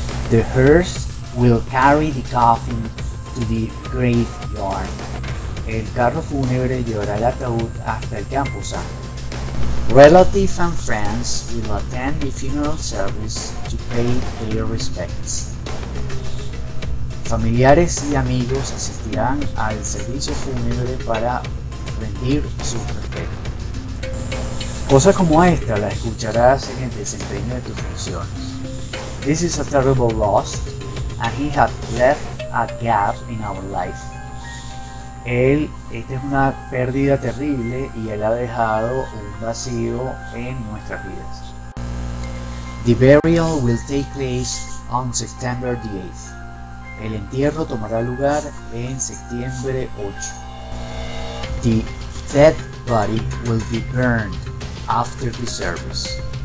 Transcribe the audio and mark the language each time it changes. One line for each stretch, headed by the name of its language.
English: The hearse will carry the coffin to the graveyard.
Spanish: El carro fúnebre llevará el ataúd hasta el campo santo.
English: Relatives and friends will attend the funeral service to pay their respects.
Spanish: Familiares y amigos asistirán al servicio fúnebre para rendir su respeto. Cosas como esta las escucharás en el desempeño de tus funciones.
English: This is a terrible loss, and he has left a gap in our life.
Spanish: Esta es una pérdida terrible y él ha dejado un vacío en nuestras vidas.
English: The burial will take place on September the 8th.
Spanish: El entierro tomará lugar en septiembre 8.
English: The dead body will be burned after the service.